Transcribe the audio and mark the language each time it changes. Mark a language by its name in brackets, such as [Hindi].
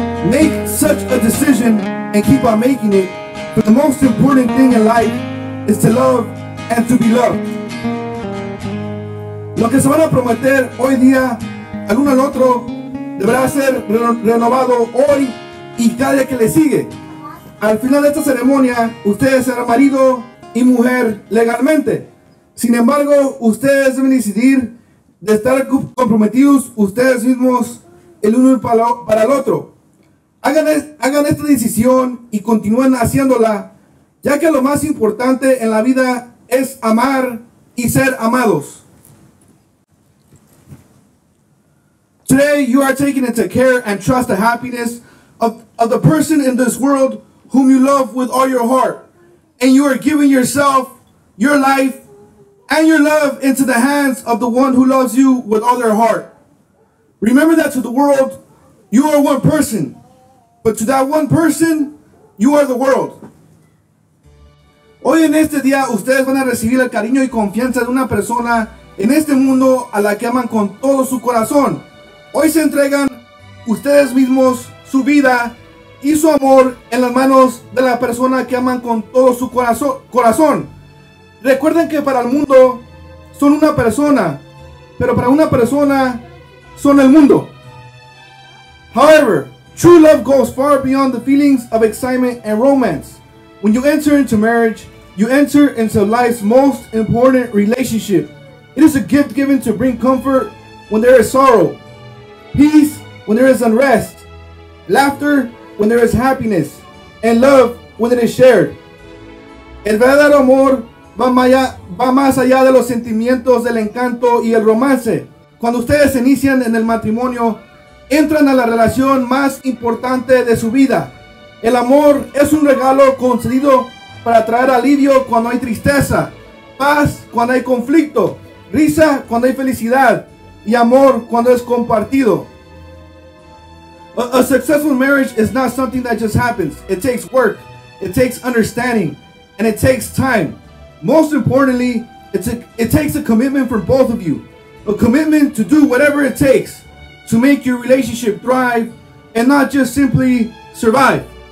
[English] Make such a decision and keep on making it. But the most important thing in life is to love and to be loved. [Spanish] Lo que se van a prometer hoy día al uno al otro deberá ser renovado hoy y cada día que le sigue. Al final de esta ceremonia, ustedes serán marido y mujer legalmente. Sin embargo, ustedes deben decidir de estar comprometidos ustedes mismos el uno para el otro. Hagan esta decisión y continúen haciéndola, ya que lo más importante en la vida es amar y ser amados. [English] Today you are taking into care and trust the happiness of the person in this world whom you love with all your heart, and you are giving yourself, your life, and your love into the hands of the one who loves you with all their heart. Remember that to the world, you are one person, but to that one person, you are the world. [Spanish] Hoy en este día, ustedes van a recibir el cariño y confianza de una persona en este mundo a la que aman con todo su corazón. Hoy se entregan ustedes mismos su vida y su amor en las manos de la persona que aman con todo su corazón. Recuerden que para el mundo son una persona, pero para una persona son el mundo. [English] However, true love goes far beyond the feelings of excitement and romance. When you enter into marriage, you enter into life's most important relationship. It is a gift given to bring comfort when there is sorrow, peace when there is unrest, laughter when there is happiness, and love when it is shared. [Spanish] El verdadero amor va más allá de los sentimientos del encanto y el romance. Cuando ustedes inician en el matrimonio, entran a la relación más importante de su vida. El amor es un regalo concedido para traer alivio cuando hay tristeza, paz cuando hay conflicto, risa cuando hay felicidad, y amor cuando es compartido. [English] A successful marriage is not something that just happens. It takes work, it takes understanding, and it takes time. Most importantly, it takes a commitment from both of you. A commitment to do whatever it takes to make your relationship thrive and not just simply survive.